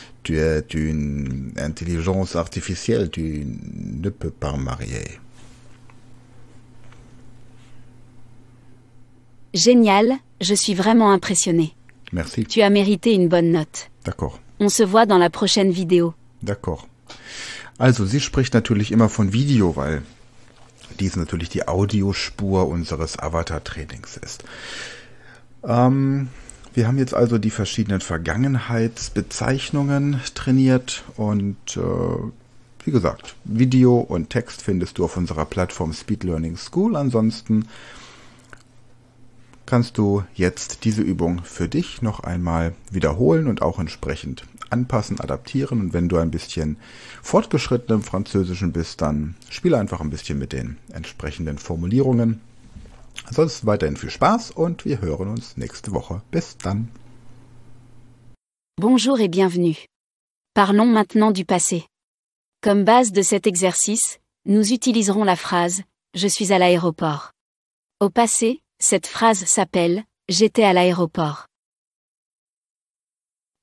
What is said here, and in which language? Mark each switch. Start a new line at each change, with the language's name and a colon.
French: tu es une intelligence artificielle, tu ne peux pas marier. Génial, je suis vraiment impressionnée. Merci. Tu as mérité une bonne note. D'accord. On se voit dans la prochaine vidéo. D'accord.
German: Also, sie spricht natürlich immer von Video, weil dies natürlich die Audiospur unseres Avatar-Trainings ist. Wir haben jetzt also die verschiedenen Vergangenheitsbezeichnungen trainiert und wie gesagt, Video und Text findest du auf unserer Plattform Speed Learning School. Ansonsten kannst du jetzt diese Übung für dich noch einmal wiederholen und auch entsprechend anpassen, adaptieren. Und wenn du ein bisschen fortgeschritten im Französischen bist, dann spiele einfach ein bisschen mit den entsprechenden Formulierungen. Ansonsten weiterhin viel Spaß und wir hören uns nächste Woche. Bis dann.
French: Bonjour et bienvenue. Parlons maintenant du passé. Comme base de cet exercice, nous utiliserons la phrase « Je suis à l'aéroport ». Au passé, cette phrase s'appelle « J'étais à l'aéroport ».